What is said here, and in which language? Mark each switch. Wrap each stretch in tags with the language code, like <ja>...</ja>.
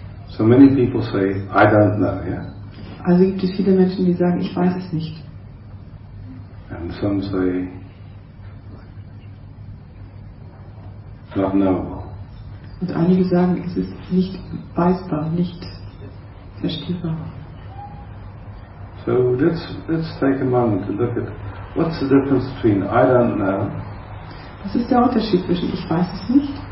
<en>So many people say, I don't know, yeah?</en> <de>Also gibt es viele Menschen, die sagen, ich weiß es nicht.</de> <en>And some say, not knowable.</en> <de>Und einige sagen, es ist nicht weisbar, nicht verstehbar.</de> <en>So let's take a moment to look at what's the difference between I don't know.</en> <de>Was ist der Unterschied zwischen ich weiß es nicht?</de>